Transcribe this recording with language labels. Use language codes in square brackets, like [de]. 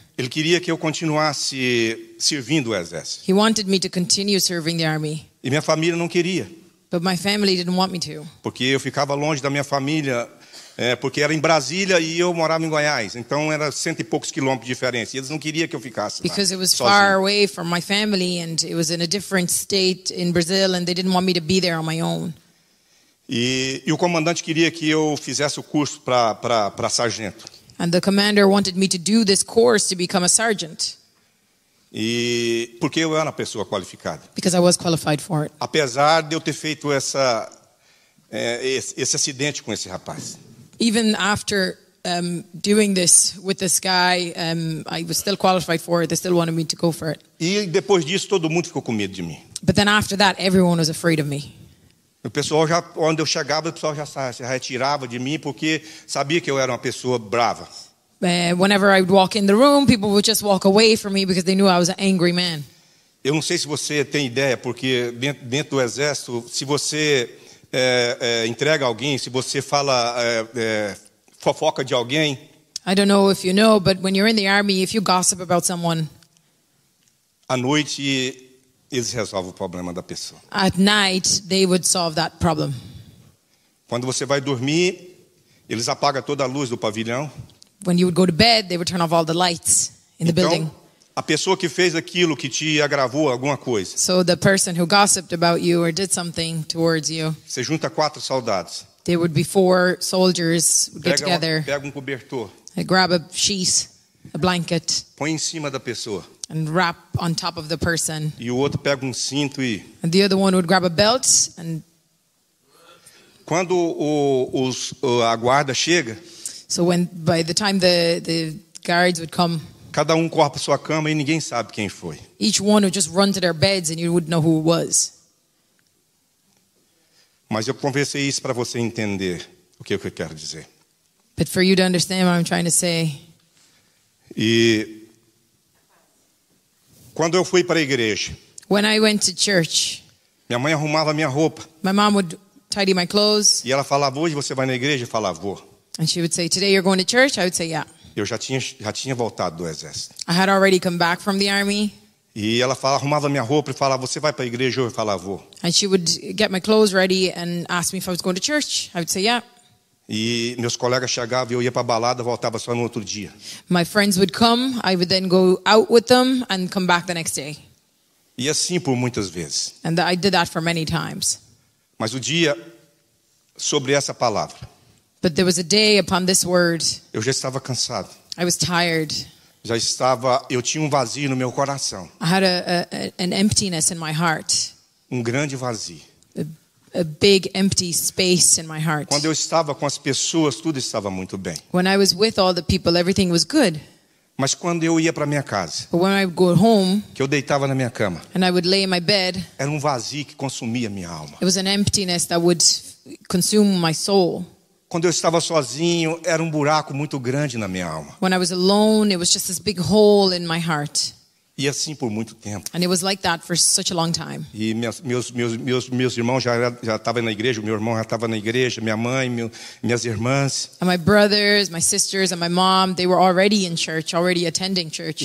[pt] Ele queria que eu continuasse servindo o exército. [en] He wanted me to continue serving the army. [pt] E minha família não queria. [en] But my family didn't want me to. [pt] Porque eu ficava longe da minha família, porque era em Brasília e eu morava em Goiás. Então era 100 e poucos quilômetros de diferença. E eles não queriam que eu ficasse lá. [en] Because it was [pt] sozinho. [en] Far away from my family and it was in a different state in Brazil and they didn't want me to be there on my own. [pt] E o comandante queria que eu fizesse o curso para sargento. [en] And the commander wanted me to do this course to become a sergeant. [pt] E porque eu era uma pessoa qualificada. [en] Because I was qualified for it. [pt] Apesar de eu ter feito esse acidente com esse rapaz. [en] Even after doing this with this guy, I was still qualified for it. They still wanted me to go for it. [pt] E depois disso todo mundo ficou com medo de mim. [en] But then after that everyone was afraid of me. [pt] O pessoal já, onde eu chegava, o pessoal já se retirava de mim porque sabia que eu era uma pessoa brava. [en] Whenever I would walk in the room, people would just walk away from me because they knew I was an angry man. [pt] Eu não sei se você tem ideia, porque dentro do exército, se você entrega alguém, se você fala fofoca de alguém. [en] I don't know if you know, but when you're in the army, if you gossip about someone. [pt] À noite, eles resolvem o problema da pessoa. [en] At night, they would solve that problem. [pt] Quando você vai dormir, eles apagam toda a luz do pavilhão. [en] When you would go to bed, they would turn off all the lights in the building. [pt] A pessoa que fez aquilo que te agravou alguma coisa. [en] So the person who gossiped about you or did something towards you. [pt] Você junta 4 soldados. [en] There would be 4 soldiers get together. [pt] Pega um cobertor. [en] They grab a sheet, a blanket. [pt] Põe em cima da pessoa. [en] And wrap on top of the person. [pt] E o outro pega um cinto e. [en] And the other one would grab a belt and. [pt] Quando a guarda chega. [en] So when by the time the guards would come, [pt] cada corre para sua cama e ninguém sabe quem foi. [en] Each one would just run to their beds and you wouldn't know who it was. [pt] Mas eu conversei isso para você entender o que eu quero dizer. [en] But for you to understand what I'm trying to say. [pt] E quando eu fui para a igreja, [en] when I went to church, [pt] minha mãe arrumava minha roupa. [en] My mom would tidy my clothes. [pt] E ela falava, hoje você vai na igreja? Eu falava, vou. [en] And she would say, today you're going to church? I would say, yeah. [pt] Eu já tinha voltado do exército. [en] I had already come back from the army. [pt] E ela arrumava minha roupa e falava, você vai para a igreja? Eu falava, vou. [en] And she would get my clothes ready and ask me if I was going to church. I would say, yeah. [pt] E meus colegas chegavam e eu ia para a balada e voltava só no outro dia. [en] My friends would come. I would then go out with them and come back the next day. [pt] E assim por muitas vezes. [en] And I did that for many times. [pt] Mas o dia sobre essa palavra. [en] But there was a day upon this word. [pt] Eu já estava cansado. [en] I was tired. [pt] Já estava, eu tinha um vazio no meu coração. [en] I had an emptiness in my heart. [pt] Um grande vazio. [en] A big empty space in my heart. [pt] Quando eu estava com as pessoas, tudo estava muito bem. [en] When I was with all the people, everything was good. [pt] Mas quando eu ia para minha casa, [en] but when I would go home, [pt] que eu deitava na minha cama, [en] and I would lay in my bed, [pt] era um vazio que consumia minha alma. [en] It was an emptiness that would consume my soul. [pt] Quando eu estava sozinho, era um buraco muito grande na minha alma. [en] When I was alone, it was just this big hole in my heart. [pt] E assim por muito tempo. [en] And it was like that for such a long time. [pt] E meus irmãos já estavam na igreja, meu irmão já estava na igreja, minha mãe, minhas irmãs. [en] And my brothers, my sisters, and my mom, they were already in church, already attending church.